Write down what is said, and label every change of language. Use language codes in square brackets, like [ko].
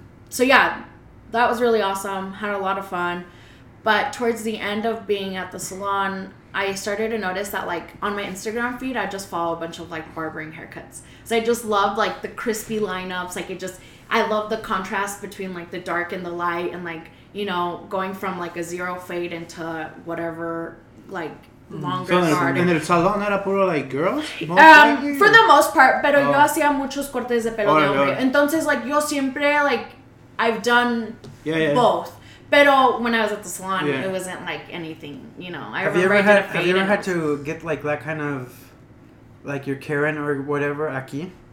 [en] So, yeah, that was really awesome. Had a lot of fun. But towards the end of being at the salon, I started to notice that, like, on my Instagram feed, I just follow a bunch of, like, barbering haircuts. So I just love, like, the crispy lineups. Like, it just, I love the contrast between, like, the dark and the light and, like, you know, going from, like, a zero fade into whatever, like, longer part. So, and [es] el salón era puro, [en] like, girls? For the most part, [es] pero yo hacía muchos cortes de pelo de hombre. Entonces, [en] like, [es] yo siempre, [en] like, I've done both. [es] Pero [en] when I was at the salon, it wasn't, like, anything, you know. Have you ever had to get, like, that kind of, like, your Karen or whatever, [es] aquí?